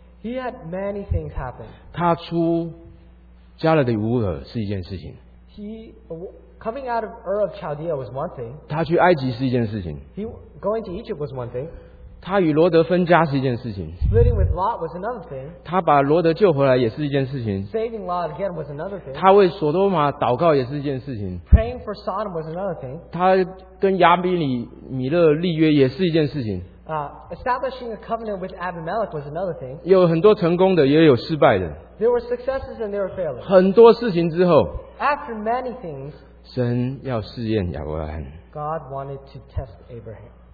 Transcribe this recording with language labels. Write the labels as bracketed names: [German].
[English] he had many things happen. [Chinese] 他出加勒底乌尔是一件事情, [English] he coming out of Ur of Chaldea was one thing. [Chinese] 他去埃及是一件事情, [English] he going to Egypt was one thing. [Chinese] 他与罗德分家是一件事情, [English] splitting with Lot was another thing. [Chinese] 他把罗德救回来也是一件事情, [English] saving Lot again was another thing. [Chinese] 他为索多玛祷告也是一件事情, [English] praying for Sodom was another thing. [Chinese] 他跟亚比米勒立约也是一件事情, [English] establishing a covenant with Abimelech was another thing. [Chinese] 有很多成功的, [English] there were successes and there were failures. [Chinese] 很多事情之后, [English] after many things, [Chinese] 神要试验亚伯拉罕, [English] God wanted to test Abraham.